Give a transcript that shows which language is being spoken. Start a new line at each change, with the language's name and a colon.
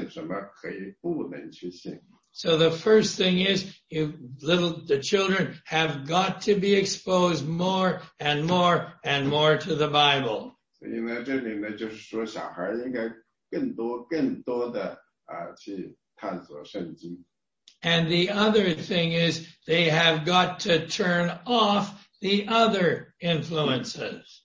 Chinese: 他在学习神的基本的规律，他知道什么可以要信，什么可以不能去信。
English: So the first thing is, the children have got to be exposed more and more and more to the Bible.
Chinese: 所以呢，这里呢就是说，小孩应该更多更多的去探索圣经。
English: And the other thing is, they have got to turn off the other influences.